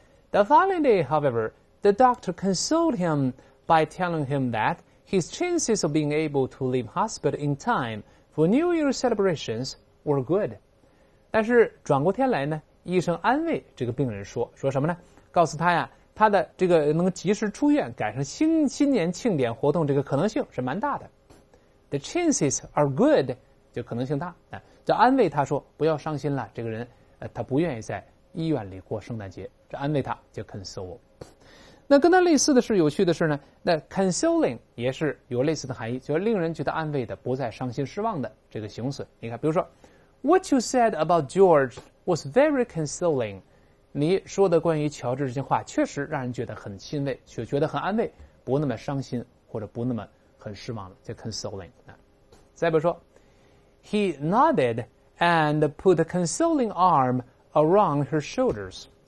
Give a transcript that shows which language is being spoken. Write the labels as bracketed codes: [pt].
[en] The following day however the doctor consoled him by telling him that his chances of being able to leave hospital in time for New Year celebrations were good， [zh] 但是转过天来呢医生安慰这个病人说，说什么呢？告诉他呀，他的这个能及时出院，赶上新年庆典活动，这个可能性是蛮大的。 [en] The chances are good， [zh] 就可能性大，就安慰他说，不要伤心了，这个人他不愿意在医院里过圣诞节，这安慰他就 console。那跟他类似的是，有趣的是呢，那 consoling 也是有类似的含义，就是令人觉得安慰的，不再伤心失望的这个形容词。你看，比如说 [en] ，What you said about George was very consoling。 [zh] 你说的关于乔治这些话，确实让人觉得很欣慰，却觉得很安慰，不那么伤心或者不那么很失望了，叫 consoling。再比如说 [en] ，He nodded and put a consoling arm around her shoulders。